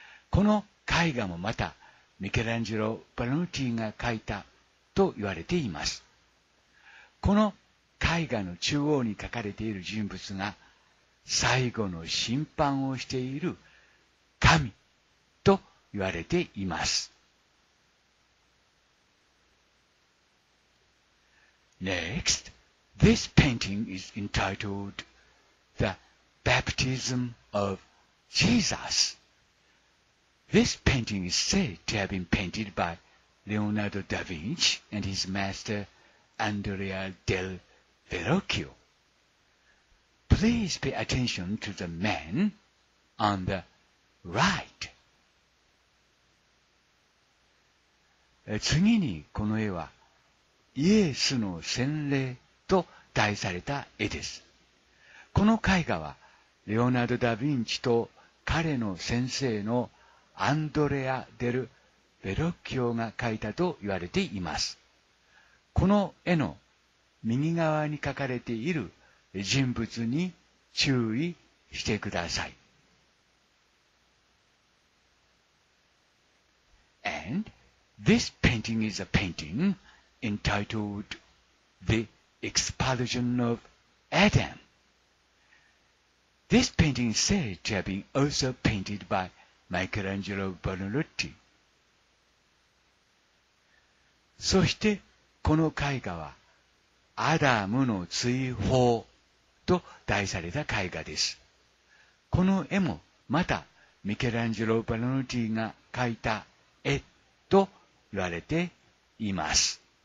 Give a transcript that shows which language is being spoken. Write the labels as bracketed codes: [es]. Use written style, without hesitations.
[ja] この絵画もまたミケランジェロ・バラノティが描いたと言われています。この絵画の中央に描かれている人物が最後の審判をしている神と言われています。 [en] Next, this painting is entitled The Baptism of Jesus. This painting is said to have been painted by Leonardo da Vinci and his master Andrea del Verrocchio. Please pay attention to the man on the right. [ja] 次にこの絵はイエスの洗礼と題された絵です。この絵画はレオナルド・ダ・ヴィンチと彼の先生のアンドレア・デル・ヴェロッキオが描いたと言われています。この絵の右側に描かれている人物に注意してください。 [en] And this painting is a paintingentitled The Expulsion of Adam. This painting is said to have been also painted by Michelangelo Buonarroti. [ja] そしてこの絵画はアダムの追放と題された絵画です。この絵もまたミケランジェロ・バルノティが描いた絵と言われています。